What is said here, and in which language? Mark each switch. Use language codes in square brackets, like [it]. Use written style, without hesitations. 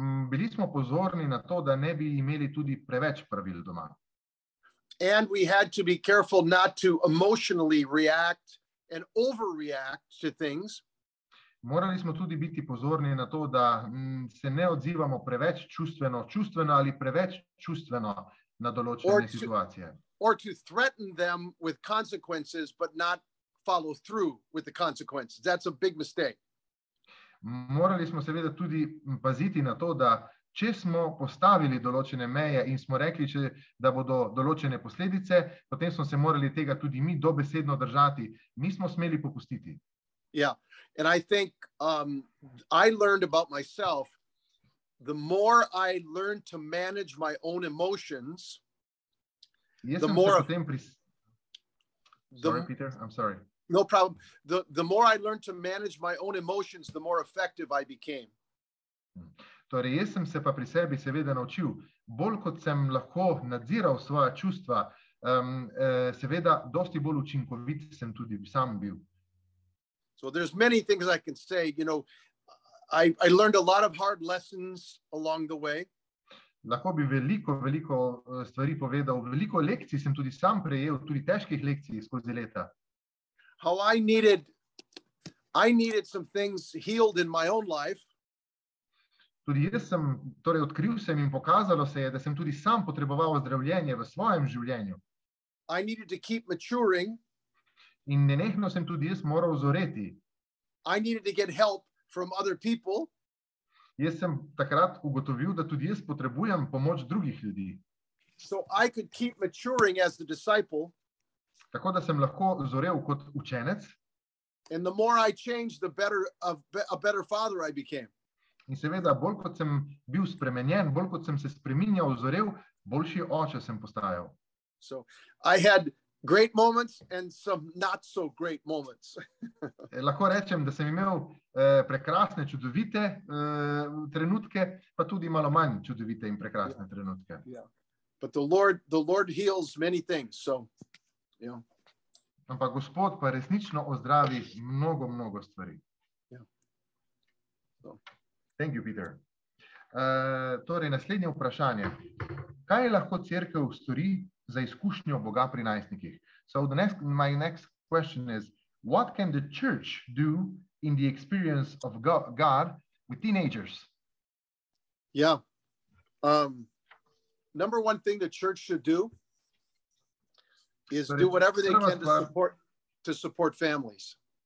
[sl] Bili smo pozorni na to, da ne bi imeli tudi preveč pravil doma. [en] And we had to be careful not to emotionally react and overreact to things. [sl] Morali smo tudi biti pozorni na to, da se ne odzivamo preveč čustveno ali preveč čustveno na določene situacije. [en] Or to threaten them with consequences, but not follow through with the consequences. That's a big mistake. [sl] Morali smo seveda tudi paziti na to, da če smo postavili določene meje in smo rekli, da bodo določene posledice, potem smo se morali tega tudi mi dobesedno držati. Nismo smeli popustiti. [en] Yeah, and I think I learned about myself, the more I learned to manage my own emotions, the more I learned to manage my own emotions, the more effective I became. [sl] Torej, jaz sem se pa pri sebi seveda naučil, bolj kot sem lahko nadziral svoja čustva, seveda dosti bolj učinkovit sem tudi sam bil. [en] So there's many things I can say, you know, I learned a lot of hard lessons along the way. [sl] Lahko bi veliko stvari povedal, veliko lekcij sem tudi sam prejel, tudi težkih lekcij skozi leta. [en] How I needed some things healed in my own life. [sl] Tudi jaz sem, torej odkril sem in pokazalo se je, da sem tudi sam potreboval ozdravljenje v svojem življenju. [en] I needed to keep maturing. [sl] In nenehno sem tudi jaz moral zoreti. [en] I needed to get help from other people. [sl] Jaz sem takrat ugotovil, da tudi jaz potrebujem pomoč drugih ljudi. [en] So I could keep maturing as the disciple. [sl] Tako da sem lahko zorel kot učenec. [en] And the more I changed, a better father I became. [sl] In seveda, bolj kot sem bil spremenjen, bolj kot sem se spreminjal, zorel, boljši oče sem postajal. [en] So I had great moments and some not so great moments. [sl] Lahko rečem, da sem imel prekrasne, čudovite trenutke, pa tudi malo manj čudovite in prekrasne trenutke. [en] Yeah. But the Lord heals many things, so yeah. [sl] Ampak Gospod pa resnično ozdravi mnogo stvari. [en] Yeah. So. Thank you, Peter. [sl] Torej, naslednje vprašanje. Kaj lahko cerkev stori za izkušnjo Boga pri najstnikih? [en] So my next question is, what can the church do in the experience of God with teenagers? Yeah. Number one thing the church should do is do whatever they can to support families.